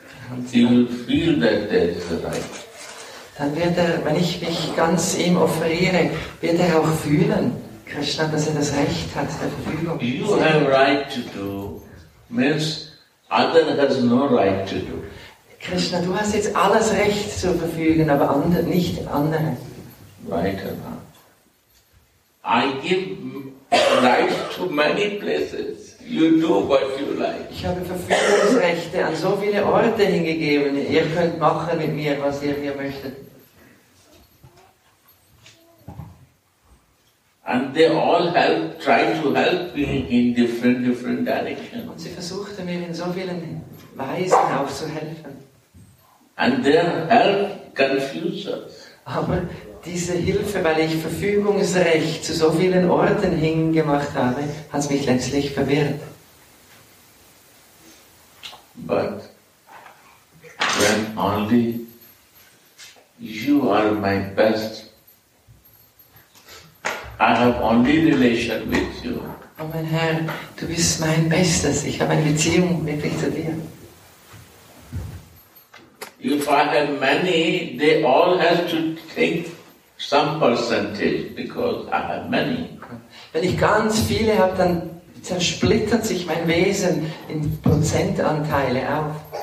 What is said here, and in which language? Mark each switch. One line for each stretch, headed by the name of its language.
English: Und you will feel that there is a right.
German: Dann wird wenn ich mich ganz ihm offeriere, wird auch fühlen, Krishna, dass das Recht hat, der Verfügung.
English: You have right to do means other has no right to do.
German: Krishna, du hast jetzt alles Recht zu verfügen, aber nicht andere.
English: Right or not? I give right to many places. You do what you like.
German: Ich habe Verfügungsrechte an so viele Orte hingegeben. Ihr könnt machen mit mir, was ihr hier möchtet.
English: And they all try to help me in different directions.
German: Und sie versuchten mir in so vielen Weisen auch zu helfen.
English: And their help confuses.
German: Aber diese Hilfe, weil ich Verfügungsrecht zu so vielen Orten hingemacht habe, hat mich letztlich verwirrt.
English: But when only you are my best, I have only relation with you.
German: Oh mein Herr, du bist mein Bestes. Ich habe eine Beziehung wirklich zu dir.
English: If I have many, they all have to take some percentage because I have many.
German: Wenn ich ganz viele habe, dann zersplittert sich mein Wesen in Prozentanteile auf.